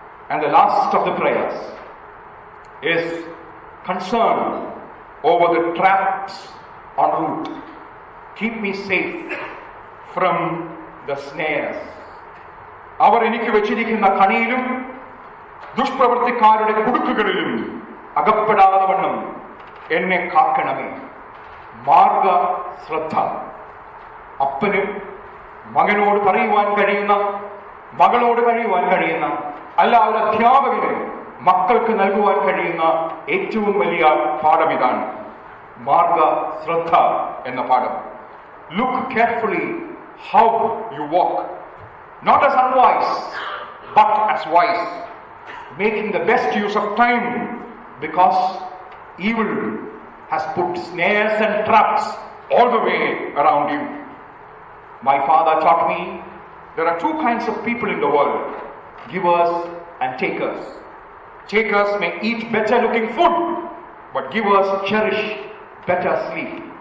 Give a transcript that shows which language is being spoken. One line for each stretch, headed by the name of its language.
English: And the last of the prayers is concern over the traps on route. Keep me safe from the snares.
Malayalam: അവർ എനിക്ക് വെച്ചിരിക്കുന്ന കണിയിലും ദുഷ്പ്രവൃത്തിക്കാരുടെ കുടുക്കുകളിലും അകപ്പെടാതെ വണ്ണം എന്നെ കാക്കണമേ. മാർഗ ശ്രദ്ധ. അപ്പനും മകനോട് പറയുവാൻ കഴിയുന്ന, മകളോട് കഴിയുവാൻ കഴിയുന്ന, അല്ല ഒരു അധ്യാപകന് മക്കൾക്ക് നൽകുവാൻ കഴിയുന്ന ഏറ്റവും വലിയ പാഠം ഇതാണ്, മാർഗ ശ്രദ്ധ എന്ന പാഠം.
English: Look carefully how you walk, not as unwise but as wise, making the best use of time, because evil has put snares and traps all the way around you. My father taught me there are two kinds of people in the world, givers and takers. Takers may eat better looking food, but givers cherish better sleep.